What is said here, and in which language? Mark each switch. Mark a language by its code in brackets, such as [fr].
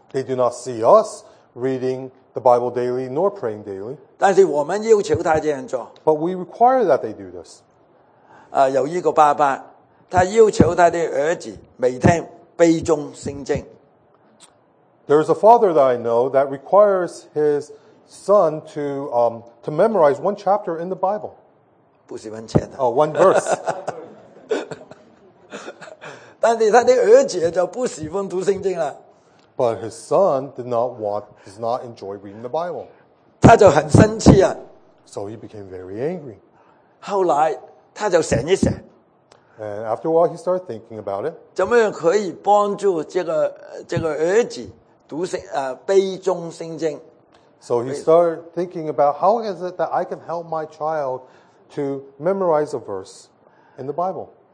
[en] They do not see us reading the Bible daily nor praying daily. [zh] 但是我们要求他这样做。 [en] But we require that they do this. [zh] 有一个爸爸，他要求他的儿子每天背诵圣经。 [en] There is a father that I know that requires his son to memorize one chapter in the Bible. [zh] 不喜欢钱的。 [en] One verse. But his son does not enjoy reading the Bible. [zh] 他就很生气啊。 [en] So he became very angry. [zh] 后来他就想一想。 [en] And after a while he started thinking about it. [zh] 怎么样可以帮助这个儿子。 [en] So he started thinking about how is it that I can help my child to memorize a verse in the Bible.